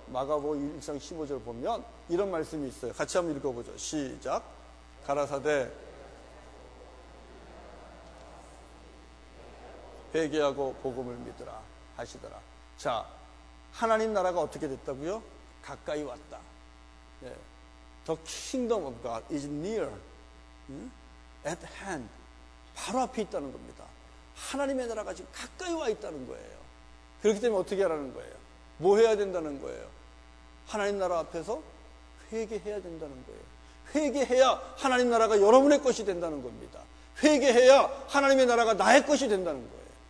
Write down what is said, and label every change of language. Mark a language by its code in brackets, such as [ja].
[ko] 마가복음 1장 15절 보면 이런 말씀이 있어요. 같이 한번 읽어보죠. 시작. 가라사대 회개하고 복음을 믿으라 하시더라. 자, 하나님 나라가 어떻게 됐다고요? 가까이 왔다. 예. [en] The kingdom of God is near, at hand. [ko] 바로 앞에 있다는 겁니다. 하나님의 나라가 지금 가까이 와 있다는 거예요. 그렇기 때문에 어떻게 하라는 거예요? 뭐 해야 된다는 거예요? 하나님 나라 앞에서 회개해야 된다는 거예요. 회개해야 하나님 나라가 여러분의 것이 된다는 겁니다. 회개해야 하나님의 나라가 나의 것이 된다는 거예요.